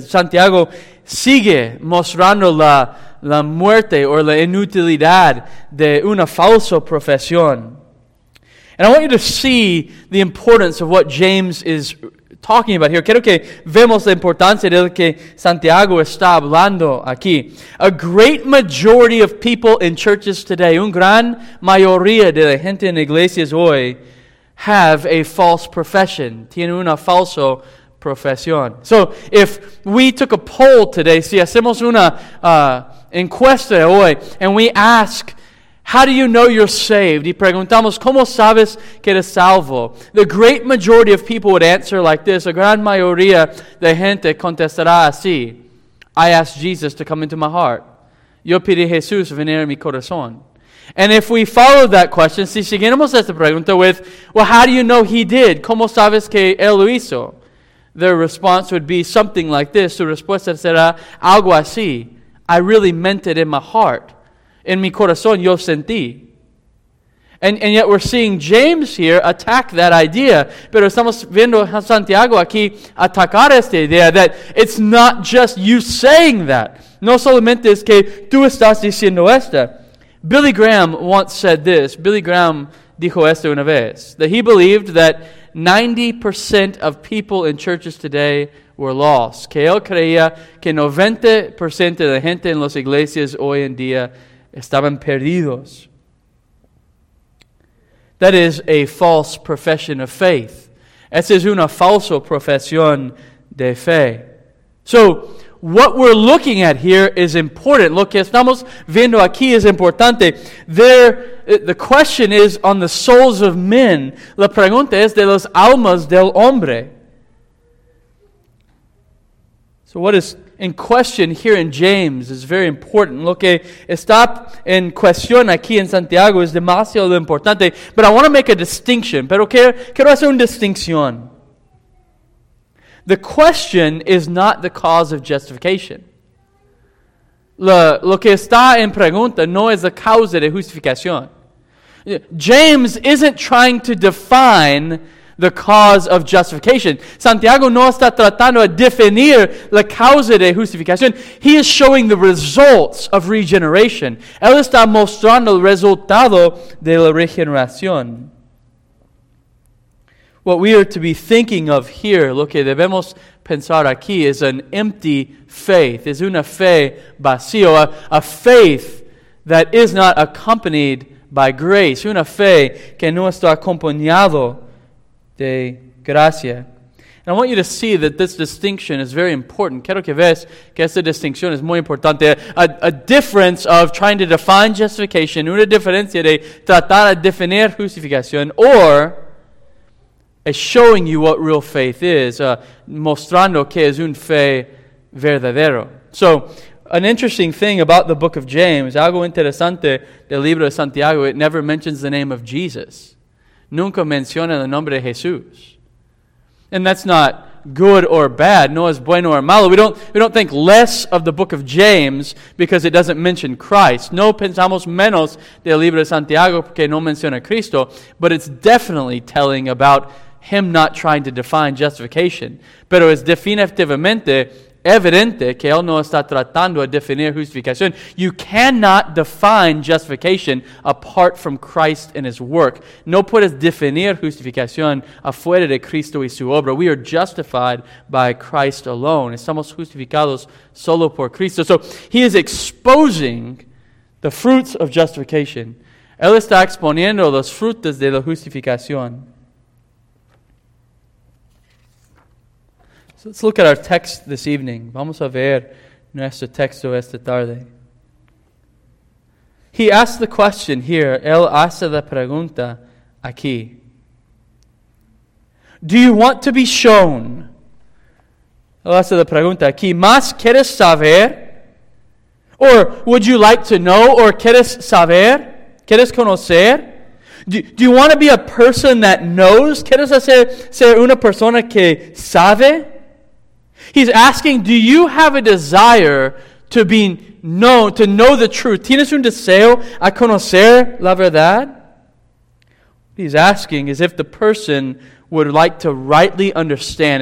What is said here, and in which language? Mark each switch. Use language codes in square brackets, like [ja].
[es] Santiago sigue mostrando la muerte o la inutilidad de una falsa profesión. [en] And I want you to see the importance of what James is talking about here. [es] Quiero que vemos la importancia de lo que Santiago está hablando aquí. [en] A great majority of people in churches today, [es] un gran mayoría de la gente en iglesias hoy, [en] have a false profession. [es] Tienen una falsa profesión. [en] So, if we took a poll today, [es] si hacemos una encuesta hoy, [en] and we ask, how do you know you're saved? [es] Y preguntamos, ¿cómo sabes que eres salvo? [en] The great majority of people would answer like this. [es] A gran mayoría de gente contestará así. [en] I asked Jesus to come into my heart. [es] Yo pedí Jesús venir a mi corazón. [en] And if we follow that question, [es] si seguimos esta pregunta [en] with, well, how do you know he did? [es] ¿Cómo sabes que él lo hizo? [en] Their response would be something like this. [es] Su respuesta será algo así. [en] I really meant it in my heart. [es] En mi corazón yo sentí. [en] And yet we're seeing James here attack that idea. [es] Pero estamos viendo a Santiago aquí atacar esta idea [en] that it's not just you saying that. [es] No solamente es que tú estás diciendo esta. [en] Billy Graham once said this. [es] Billy Graham dijo esto una vez. [en] That he believed that 90% of people in churches today were lost. [es] Que él creía que 90% de la gente en las iglesias hoy en día estaban perdidos. [en] That is a false profession of faith. [es] Esa es una falsa profesión de fe. [en] So, what we're looking at here is important. [es] Lo que estamos viendo aquí es importante. [en] There, the question is on the souls of men. [es] La pregunta es de las almas del hombre. [en] So, what is in question here in James is very important. [es] Lo que está en cuestión aquí en Santiago es demasiado importante. [en] But I want to make a distinction. [es] Pero quiero hacer una distinción. [en] The question is not the cause of justification. [es] Lo que está en pregunta no es la causa de justificación. [en] James isn't trying to define the cause of justification. [es] Santiago no está tratando de definir la causa de justificación. [en] He is showing the results of regeneration. [es] Él está mostrando el resultado de la regeneración. [en] What we are to be thinking of here, [es] lo que debemos pensar aquí, [en] is an empty faith. [es] Es una fe vacío. [en] A faith that is not accompanied by grace. [es] Una fe que no está acompañado de gracia. [en] And I want you to see that this distinction is very important. [es] Quiero que veas que esta distinción es muy importante. [en] A difference of trying to define justification, [es] una diferencia de tratar de definir justificación, [en] or a showing you what real faith is, [es] mostrando que es un fe verdadero. [en] So, an interesting thing about the book of James, [es] algo interesante del libro de Santiago, [en] it never mentions the name of Jesus. [es] Nunca menciona el nombre de Jesús. [en] And that's not good or bad, [es] no es bueno or malo. [en] We don't think less of the book of James because it doesn't mention Christ. [es] No pensamos menos del libro de Santiago porque no menciona Cristo, [en] but it's definitely telling about him not trying to define justification. [es] Pero es definitivamente evidente que él no está tratando de definir justificación. [en] You cannot define justification apart from Christ and his work. [es] No puedes definir justificación afuera de Cristo y su obra. [en] We are justified by Christ alone. [es] Estamos justificados solo por Cristo. [en] So he is exposing the fruits of justification. [es] Él está exponiendo los frutos de la justificación. [en] So let's look at our text this evening. [es] Vamos a ver nuestro texto esta tarde. [en] He asks the question here. [es] Él hace la pregunta aquí. [en] Do you want to be shown? [es] Él hace la pregunta aquí. ¿Más quieres saber? [en] Or would you like to know? Or [es] quieres saber? ¿Quieres conocer? [en] Do you want to be a person that knows? [es] ¿Quieres ser una persona que sabe? [en] He's asking, do you have a desire to be known, to know the truth? [es] ¿Tienes un deseo a conocer la verdad? [en] What he's asking is if the person would like to rightly understand.